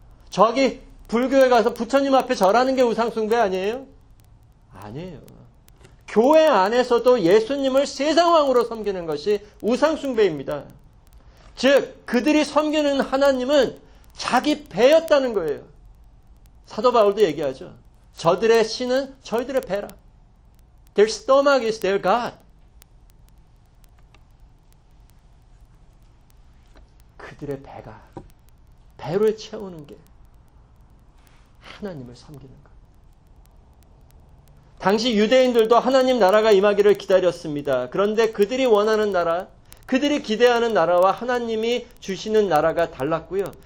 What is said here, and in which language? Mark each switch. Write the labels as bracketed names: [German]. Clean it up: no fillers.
[Korean] 저기 불교에 가서 부처님 앞에 절하는 게 우상숭배 아니에요? 아니에요. 교회 안에서도 예수님을 세상 왕으로 섬기는 것이 우상숭배입니다. 즉 그들이 섬기는 하나님은 자기 배였다는 거예요. 사도 바울도 얘기하죠. 저들의 신은 저희들의 배라. [English] Their stomach is their God. [Korean] 그들의 배가 배를 채우는 게 하나님을 섬기는 것. 당시 유대인들도 하나님 나라가 임하기를 기다렸습니다. 그런데 그들이 원하는 나라, 그들이 기대하는 나라와 하나님이 주시는 나라가 달랐고요.